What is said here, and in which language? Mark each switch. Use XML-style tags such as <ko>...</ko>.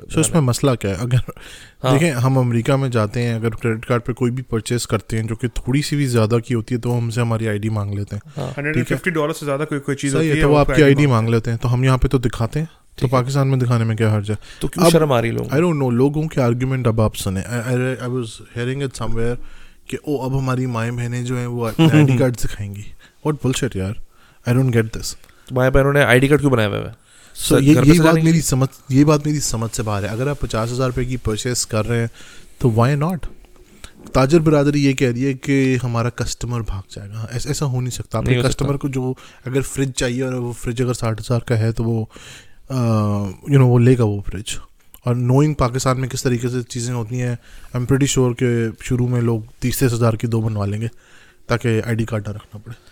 <ur>سو اس میں مسئلہ کیا ہے؟ اگر دیکھیں ہم امریکہ میں جاتے ہیں, اگر کریڈٹ کارڈ پہ کوئی بھی پرچیز کرتے ہیں جو کہ تھوڑی سی بھی زیادہ کی ہوتی ہے تو ہم سے ہماری آئی ڈی مانگ لیتے ہیں. $150 سے زیادہ کوئی چیز ہوتی ہے تو وہ آپ کی آئی ڈی مانگ لیتے ہیں, تو ہم یہاں پہ تو دکھاتے ہیں, تو پاکستان میں دکھانے میں کیا حرج ہے؟ تو کیوں شرم آ رہی لوگوں؟</ur> <en>I don't know,</en> <ur>لوگوں کے آرگیومنٹ اب آپ سنیں.</ur> <en>I was hearing it somewhere</en> <ur>کہ او اب ہماری مائیں بہنیں جو ہیں وہ آئی ڈی کارڈ سکھائیں گی.</ur> <en>What bullshit یار, I don't get this.</en> <ur>مائیں بہنوں نے آئی ڈی کارڈ کیوں بنایا ہوا ہے؟ سو یہ بات میری سمجھ سے باہر ہے. اگر آپ 50,000 روپے کی پرچیز کر رہے ہیں تو</ur> <en>Why not?</en> <ur>تاجر برادری یہ کہہ رہی ہے کہ ہمارا کسٹمر بھاگ جائے گا, ایسا ہو نہیں سکتا. اپنے کسٹمر کو جو اگر فریج چاہیے اور وہ فریج اگر 60,000 کا ہے تو وہ</ur> <en>you know</en> <ur>وہ لے گا وہ فریج, اور نوئنگ پاکستان میں کس طریقے سے چیزیں ہوتی ہیں,</ur> <en>I am pretty sure</en> <ur>کہ شروع میں لوگ 30,000 کی دو بنوا لیں گے تاکہ آئی ڈی کارڈ نہ رکھنا پڑے.</ur>